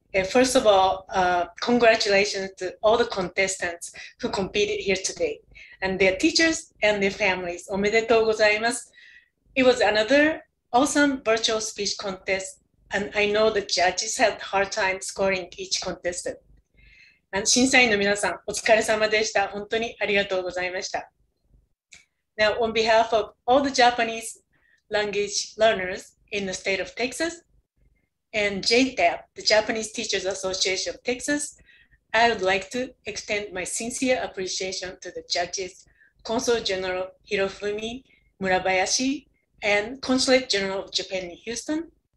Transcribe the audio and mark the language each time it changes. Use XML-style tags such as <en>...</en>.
<en>First of all, congratulations to all the contestants who competed here today, and their teachers and their families.</en> <ja>Omedetou gozaimasu.</ja> <en>It was another awesome virtual speech contest, and I know the judges had a hard time scoring each contestant.</en> <ja>And 審査員の皆さん、お疲れ様でした。本当にありがとうございました。</ja> <en>Now, on behalf of all the Japanese language learners in the state of Texas, and JTAP, the Japanese Teachers Association of Texas, I would like to extend my sincere appreciation to the judges, Consul General Hirofumi Murabayashi, and Consulate General of Japan in Houston,</en>